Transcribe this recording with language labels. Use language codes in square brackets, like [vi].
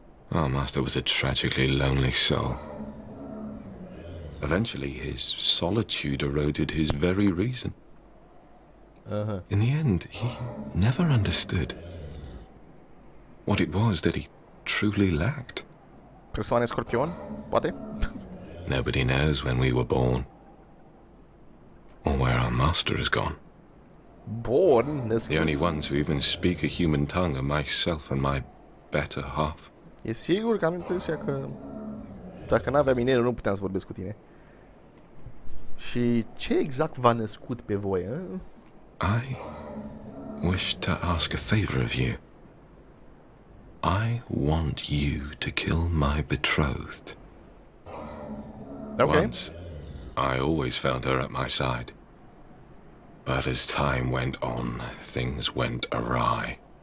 [en] Our master was a tragically lonely soul. Eventually, his solitude eroded his very reason. In the end, he never understood what it was that he truly lacked. [ro] Persoane scorpion, poate? [en] Nobody knows when we were born. Or where our master has gone. Born? This the only ones who even speak a human tongue are myself and my better half. [ro] E sigur că am impresia că dacă n-aveam inel, nu puteam să vorbesc cu tine. Și ce exact v-a născut pe voi, a? [en] I wish to ask a favor of you. I want you to kill my betrothed. Okay. Once, I always found her at my side. But as time went on, things went awry.